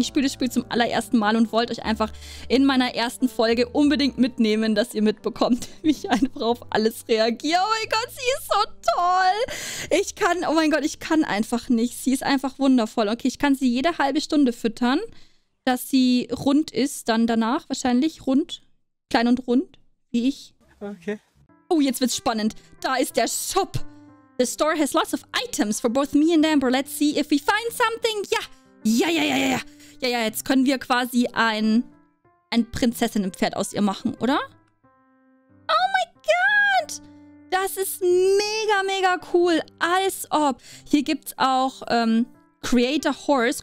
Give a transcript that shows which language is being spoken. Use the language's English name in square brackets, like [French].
[German] Ich spiele das Spiel zum allerersten Mal und wollte euch einfach in meiner ersten Folge unbedingt mitnehmen, dass ihr mitbekommt, wie ich einfach auf alles reagiere. Oh mein Gott, sie ist so toll. Ich kann, oh mein Gott, ich kann einfach nicht. Sie ist einfach wundervoll. Okay, ich kann sie jede halbe Stunde füttern, dass sie rund ist, dann danach wahrscheinlich rund, klein und rund, wie ich. Okay. Oh, jetzt wird's spannend. Da ist der Shop. [English] The store has lots of items for both me and Amber. Let's see if we find something. Ja, ja, ja, ja, ja, ja. [German] Ja, ja, jetzt können wir quasi ein Prinzessinnenpferd aus ihr machen, oder? Oh mein Gott. Das ist mega, mega cool. Als ob. Hier gibt's auch Create a Horse.